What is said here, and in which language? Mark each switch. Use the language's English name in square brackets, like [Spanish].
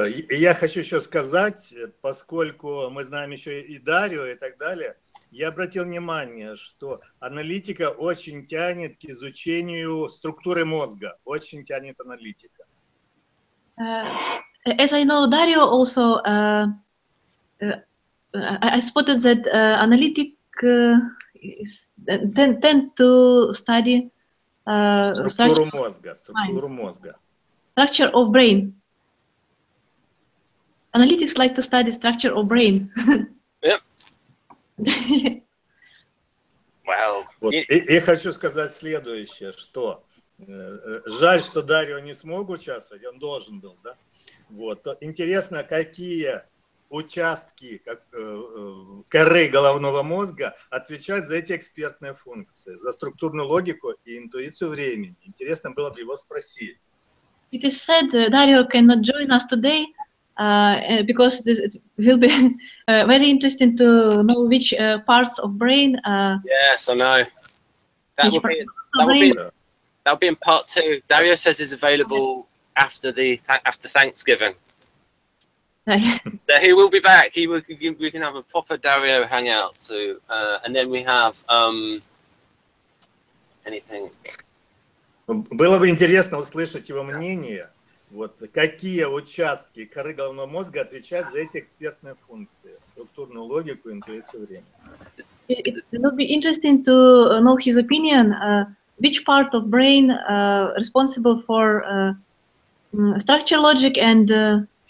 [Russian] Я хочу еще сказать, поскольку мы знаем еще и Дарио и так далее, я обратил внимание, что аналитика очень тянет к изучению структуры мозга, очень тянет аналитика. [English] As I know, Dario also, I spotted that analytic tend to study [Russian] структуру мозга, структуру мозга. [English] Structure of brain. Analytics like to study structure of brain. Yep. Well, [Russian] вот, и хочу сказать следующее, что жаль, что Дарио не смог участвовать, он должен был, да? Вот. То интересно, какие участки коры головного мозга отвечают за эти экспертные функции, за структурную логику и интуицию времени. Интересно было бы его спросить. [English] It is said Dario cannot join us today because it will be very interesting to know which parts of brain. Yes, I know. That will be in part two. Dario says he's available after Thanksgiving. So he will be back. We can have a proper Dario hangout. So, and then we have anything. [Russian] Было бы интересно услышать его мнение, вот какие участки коры головного мозга отвечают за эти экспертные функции, структурную логику, интуицию времени. [English] It would be interesting to know his opinion, which part of brain responsible for structure logic and...